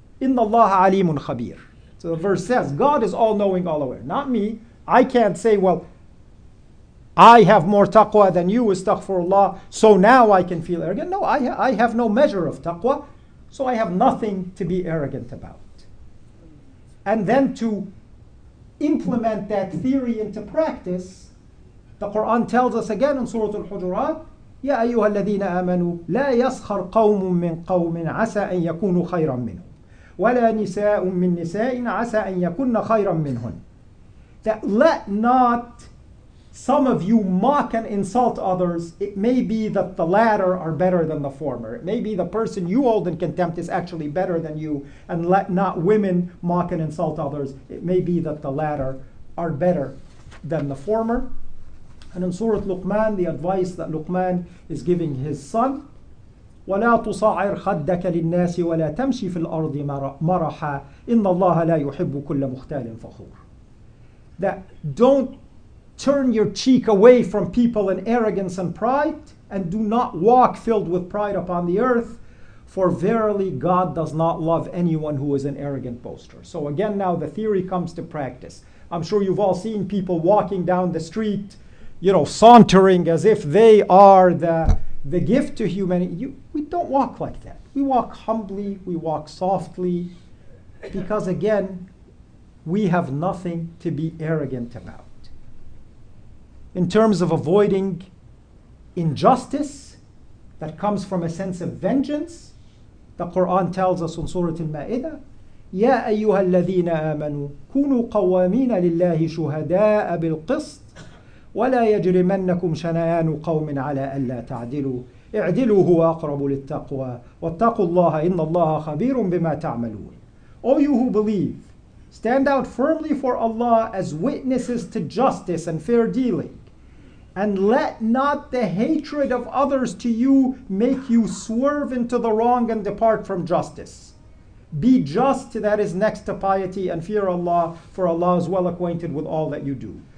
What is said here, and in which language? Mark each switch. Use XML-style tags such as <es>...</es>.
<ar>Inna Allah alimun khabir.</ar> <en>So the verse says, God is all-knowing, all-aware. Not me. I can't say, well, I have more taqwa than you, astaghfirullah, so now I can feel arrogant. No, I have no measure of taqwa, so I have nothing to be arrogant about. And then to implement that theory into practice, the Quran tells us again in Surah Al-Hujurat,</en> <ar>يَا أَيُّهَا الَّذِينَ آمَنُوا لَا يَسْخَرْ قَوْمٌ مِّن قَوْمٍ عَسَىٰ أَن يَكُونُوا خَيْرًا مِّنْهُمْ وَلَا نِسَاءٌ مِّن نِسَاءٍ عَسَىٰ أَن يَكُنَّ خَيْرًا مِّنْهُمْ.</ar> <en>That let not some of you mock and insult others. It may be that the latter are better than the former. It may be the person you hold in contempt is actually better than you. And let not women mock and insult others. It may be that the latter are better than the former. And in Surah Luqman, the advice that Luqman is giving his son,</en> <ar>وَلَا تُصَعِرْ خَدَّكَ لِلنَّاسِ وَلَا تَمْشِي فِي الْأَرْضِ مَرَحًا إِنَّ اللَّهَ لَا يُحِبُّ كُلَّ مُخْتَالٍ فَخُورٍ.</ar> <en>That don't turn your cheek away from people in arrogance and pride, and do not walk filled with pride upon the earth, for verily God does not love anyone who is an arrogant boaster. So again, now the theory comes to practice. I'm sure you've all seen people walking down the street, you know, sauntering as if they are the gift to humanity. We don't walk like that. We walk humbly, we walk softly, because again, we have nothing to be arrogant about. In terms of avoiding injustice that comes from a sense of vengeance, the Quran tells us in Surah Al-Ma'idah,</en> <ar>يَا أَيُّهَا الَّذِينَ آمَنُوا كُونُوا قَوَّامِينَ لِلَّهِ شُهَدَاءَ بِالْقِسْطِ وَلَا يَجْرِمَنَّكُمْ شَنَيَانُ قَوْمٍ عَلَىٰ أَلَّا تَعْدِلُوا اِعْدِلُوا هُوَ أَقْرَبُ لِلتَّقْوَىٰ وَاتَّقُوا اللَّهَ إِنَّ اللَّهَ خَبِيرٌ بِمَا تَعْمَلُونَ.</ar> <en>O you who believe, stand out firmly for Allah as witnesses to justice and fair dealing, and let not the hatred of others to you make you swerve into the wrong and depart from justice. Be just, that is next to piety, and fear Allah, for Allah is well acquainted with all that you do.</en>